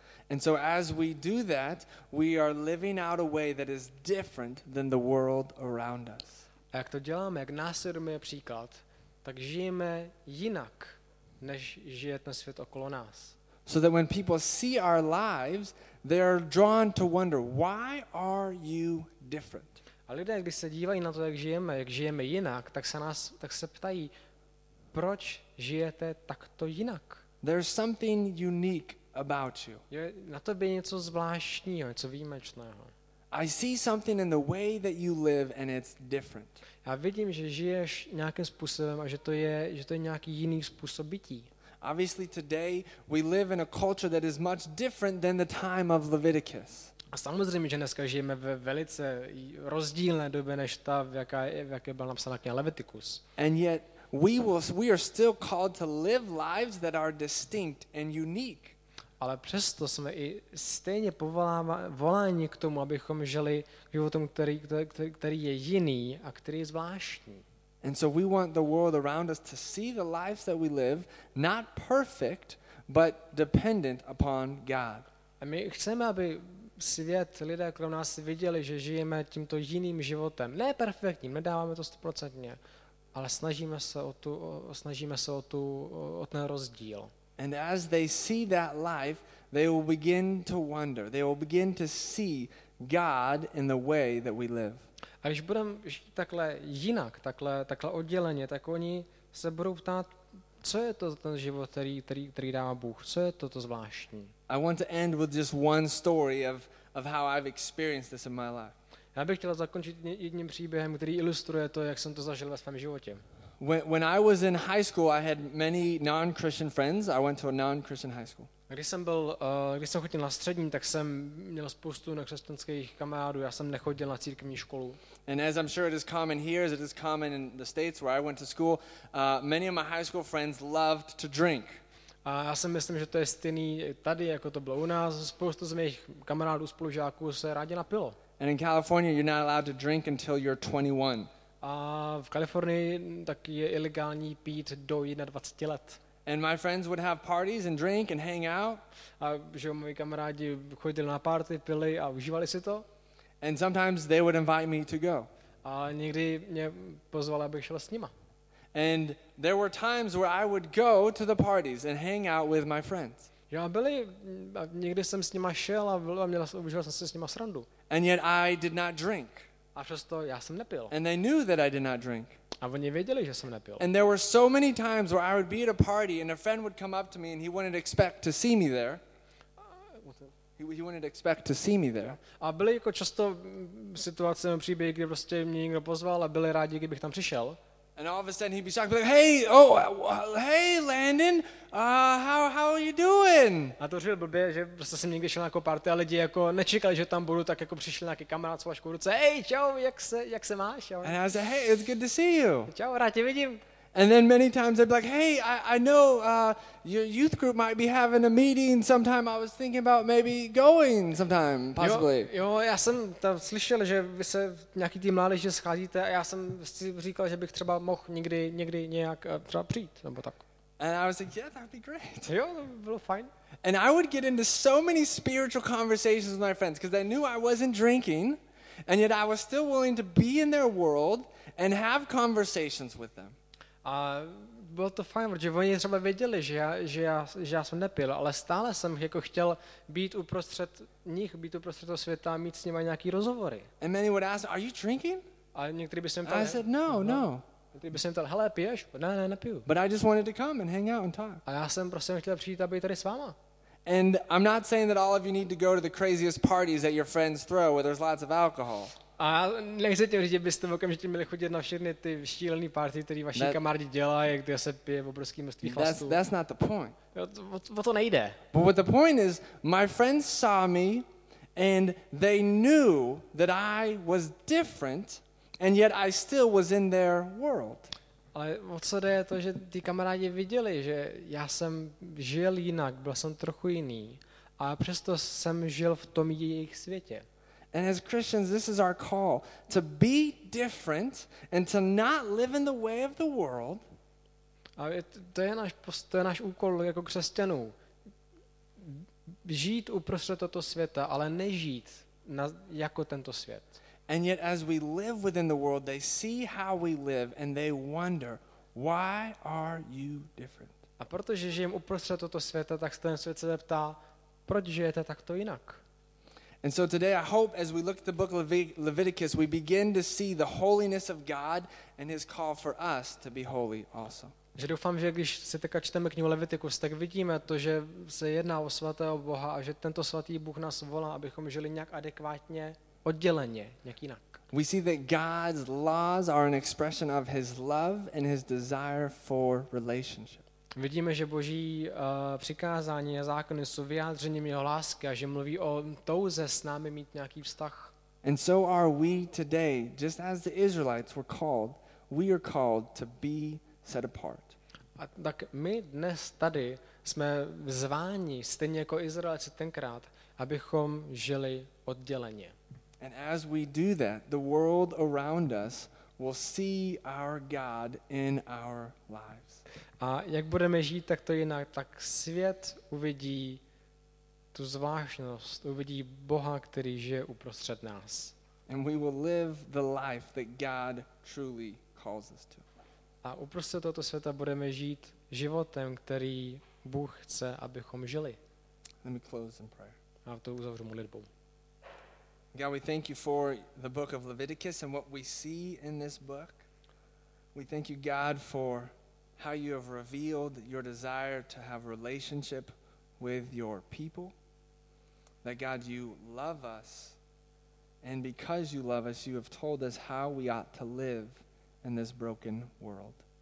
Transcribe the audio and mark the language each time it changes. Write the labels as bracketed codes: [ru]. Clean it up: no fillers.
[en] And so as we do that, we are living out a way that is different than the world around us. [cs] A jak to děláme, jak následujeme příklad, tak žijeme jinak, než žije ten svět okolo nás. [en] So that when people see our lives, they are drawn to wonder, why are you different? [cs] A lidé, když se dívají na to, jak žijeme jinak, tak se ptají, proč žijete takto jinak? [en] There's something unique about you. [cs] Je na tobě něco zvláštního, něco výjimečného. [en] I see something in the way that you live and it's different. [cs] Já vidím, že žiješ nějakým způsobem a že to je nějaký jiný způsob bytí. [en] Obviously today we live in a culture that is much different than the time of Leviticus. [cs] A samozřejmě, že dneska žijeme ve velice rozdílné době než ta, v jaké byla napsaná kniha Leviticus. [en] And yet we are still called to live lives that are distinct and unique. [cs] Ale přesto jsme i stejně voláni k tomu, abychom žili životem, který je jiný a který je zvláštní. [en] And so we want the world around us to see the lives that we live not perfect, but dependent upon God. [cs] A my chceme, aby svět, lidé kolem nás viděli, že žijeme tímto jiným životem. Ne perfektním, nedáváme to 100%, ale snažíme se o ten rozdíl. [en] And as they see that life, they will begin to wonder. They will begin to see God in the way that we live. [cs] A když budeme žít takhle jinak, takhle odděleně, tak oni se budou ptát, co je to ten život, který dává Bůh? Co je to zvláštní? [en] I want to end with just one story of how I've experienced this in my life. [cs] Já bych chtěl zakončit jedním příběhem, který ilustruje to, jak jsem to zažil ve svém životě. [en] When I was in high school, I had many non-Christian friends. I went to a non-Christian high school. [cs] Když jsem chodil na střední, tak jsem měl spoustu nekřesťanských kamarádů. Já jsem nechodil na církevní školu. [en] And as I'm sure it is common here, as it is common in the States where I went to school, many of my high school friends loved to drink. [cs] A já si myslím, že to je stejný tady, jako to bylo u nás. Spoustu z mých kamarádů, spolužáků se rádi napilo. [en] And in California, you're not allowed to drink until you're 21. [cs] A v Kalifornii tak je ilegální pít do 21 let. [en] And my friends would have parties and drink and hang out. [cs] A že moji kamarádi chodili na party, pili a užívali si to. [en] And sometimes they would invite me to go. [cs] A někdy mě pozvali, abych šel s nima. [en] And there were times where I would go to the parties and hang out with my friends. [cs] Já byli, a někdy jsem s nima šel a užíval jsem si s nima srandu. [en] And yet I did not drink. [cs] A přesto já jsem nepil. [en] And they knew that I did not drink. [cs] A oni věděli, že jsem nepil. [en] And there were so many times where I would be at a party and a friend would come up to me and he wouldn't expect to see me there. He wouldn't expect to see me there. [cs] A byly jako často situace nebo příběhy, kdy prostě mě někdo pozval a byli rádi, kdybych tam přišel. [en] And all of a sudden he'd be shocked, like, "Hey, hey, Landon, how are you doing?" [cs] A to říkal blbě, že prostě jsem někdy šel na nějakou party a lidi jako nečekali, že tam budu, tak jako přišli nějaký kamarád s flaškou v ruce. "Hey, čau, jak se máš?" Jo. [en] And I said, "Hey, it's good to see you." [cs] Čau, rád tě vidím. [en] And then many times they'd be like, "Hey, I know your youth group might be having a meeting sometime. I was thinking about maybe going sometime, possibly." [cs] Jo, já jsem tam slyšel, že vy se nějaký tým mládeže scházíte a já jsem si říkal, že bych třeba mohl někdy nějak třeba přijít nebo tak. [en] And I was like, "Yeah, that'd be great." [cs] Jo, to bylo fajn. [en] And I would get into so many spiritual conversations with my friends because they knew I wasn't drinking and yet I was still willing to be in their world and have conversations with them. [cs] A bylo to fajn, protože oni třeba věděli, že já jsem nepil, ale stále jsem jako chtěl být uprostřed nich, být uprostřed toho světa a mít s nimi nějaký rozhovory. [en] And many would ask, "Are you drinking?" [cs] A někteří by se ptali. [en] I said no. [cs] Někteří by se ptali, "Hele, piješ?" Ne, nepiju. [en] But I just wanted to come and hang out and talk. [cs] A já jsem prostě chtěl přijít a být tady s váma. [en] And I'm not saying that all of you need to go to the craziest parties that your friends throw where there's lots of alcohol. [cs] A nechci tím říct, že byste okamžitě měli chodit na všechny ty šílené party, které vaši kamarádi dělají, kde se pije obrovské množství chlastu. [en] That's not the point. [cs] O to nejde. [en] But what the point is, my friends saw me and they knew that I was different and yet I still was in their world. [cs] Ale o co jde je to, že ty kamarádi viděli, že já jsem žil jinak, byl jsem trochu jiný, a přesto jsem žil v tom jejich světě. [en] And as Christians, this is our call to be different and to not live in the way of the world. [cs] A to je náš úkol jako křesťanů. Žít uprostřed tohoto světa, ale nežít jako tento svět. [en] And yet as we live within the world, they see how we live and they wonder, "Why are you different?" [cs] A protože žijem uprostřed tohoto světa, tak ten svět se ptá, proč žijete takto jinak? [en] And so today I hope as we look at the book of Leviticus we begin to see the holiness of God and his call for us to be holy also. [cs] Že doufám, že když se teďka čteme knihu Leviticus, tak vidíme to, že se jedná o svatého Boha a že tento svatý Bůh nás volá, abychom žili nějak adekvátně, odděleně, nějak jinak. [en] We see that God's laws are an expression of his love and his desire for relationship. [cs] Vidíme, že Boží přikázání a zákony jsou vyjádřením jeho lásky a že mluví o touze s námi mít nějaký vztah. [en] And so are we today, just as the Israelites were called, we are called to be set apart. [cs] A tak my dnes tady jsme zváni, stejně jako Izraelci tenkrát, abychom žili odděleně. [en] And as we do that, the world around us will see our God in our lives. [cs] A jak budeme žít takto jinak, tak svět uvidí tu zvláštnost, uvidí Boha, který žije uprostřed nás. [en] And we will live the life that God truly calls us to. [cs] A uprostřed tohoto světa budeme žít životem, který Bůh chce, abychom žili. [en] Let me close in prayer. [cs] A to uzavřu modlitbou. [en] God, we thank you for the book of Leviticus and what we see in this book. We thank you, God, for how you have revealed your desire to have relationship with your people. That, God, you love us. And because you love us, you have told us how we ought to live in this broken world.